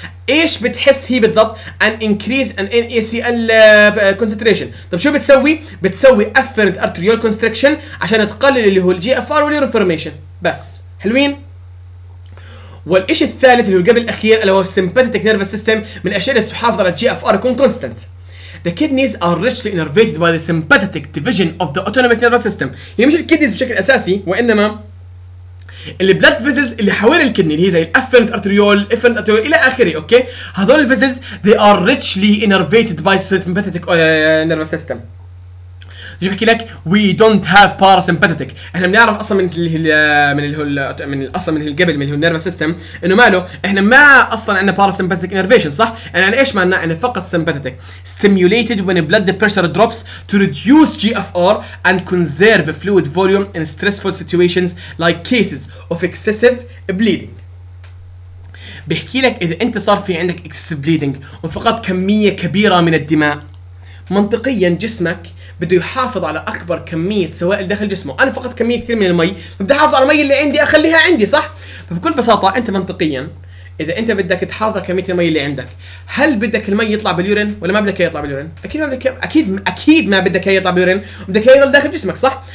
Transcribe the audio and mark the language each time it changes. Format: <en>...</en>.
<ar>ايش بتحس هي بالضبط؟</ar> <en>An increase in A C L concentration.</en> <ar>طب شو بتسوي؟ بتسوي افيرنت ارتريول كونستريكشن عشان تقلل اللي هو الجي اف ار واللي انفورميشن بس. حلوين. والشيء الثالث اللي هو قبل الاخير اللي هو السمباثيتك نيرف سيستم من الاشياء اللي تحافظ على الجي اف ار يكون كونستنت.</ar> <en>The kidneys are richly innervated by the sympathetic division of the autonomic nervous system.</en> <ar>هي مش الكيدنيز بشكل اساسي وانما البلد فيزلز اللي حوالي الكدني اللي هي زي الافرنت ارتريول افرنت ارتريول الى اخره اوكي. هذول الفيزلز</ar> <en>they are richly innervated by the sympathetic nervous system.</en> <ar>زي بحكي لك</ar> <en>we don't have parasympathetic.</en> <ar>احنا بنعرف اصلا من اللي من الاصل من قبل من النيرفس سيستم انه ماله احنا ما اصلا عندنا parasympathetic innervation صح. انا يعني ايش معناه؟ انا فقط</ar> <en>sympathetic stimulated when blood pressure drops to reduce GFR and conserve fluid volume in stressful situations like cases of excessive bleeding.</en> <ar>بحكي لك اذا انت صار في عندك excessive bleeding وفقط كميه كبيره من الدماء منطقيا جسمك بده يحافظ على اكبر كميه سوائل داخل جسمه. انا فقط كميه كثير من المي بدي احافظ على المي اللي عندي اخليها عندي صح. فبكل بساطه انت منطقيا اذا انت بدك تحافظ على كميه المي اللي عندك هل بدك المي يطلع باليورين ولا ما بدك يطلع باليورين؟ اكيد ما بدك اكيد اكيد ما بدك يطلع باليورين، بدك يضل داخل جسمك صح.</ar>